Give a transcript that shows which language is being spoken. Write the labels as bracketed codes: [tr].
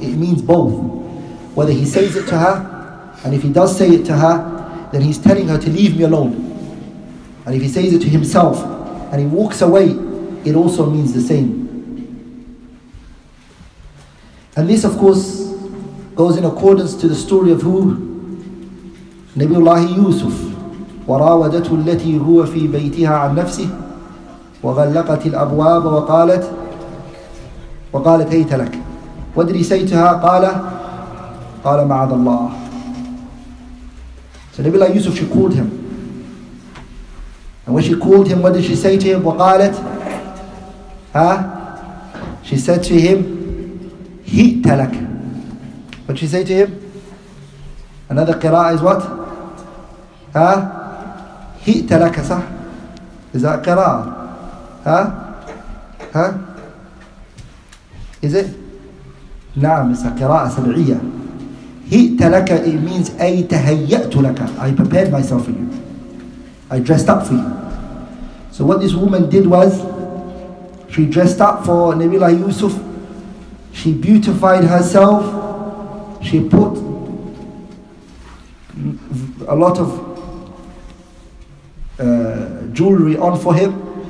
[en] It means both. Whether he says it to her, and if he does say it to her, then he's telling her to leave me alone. And if he says it to himself, and he walks away, it also means the same. And this, of course, goes in accordance to the story of who? [ar] نبي الله يوسف وراودته التي هو في بيتها عن نفسه وغلقت الأبواب وقالت هيت لك وادرسيتها قال معاذ الله. [en] So Nabi Allah Yusuf, she called him. And when she called him, what did she say to him? [ar] وقالت, huh? [en] She said to him, [ar] هيت لك. [en] What did she say to him? Another قراءة is what? Huh? [ar] هيت لك, صح? [en] Is that قراءة? Huh? Huh? Is it? [ar] نعم, [en] it's a [ar] قراءة سبعية. هيت لك, [en] it means [ar] أي تهيأت لك. [en] I prepared myself for you. I dressed up for you. So what this woman did was, she dressed up for Nabi Allah Yusuf. She beautified herself. She put a lot of jewelry on for him.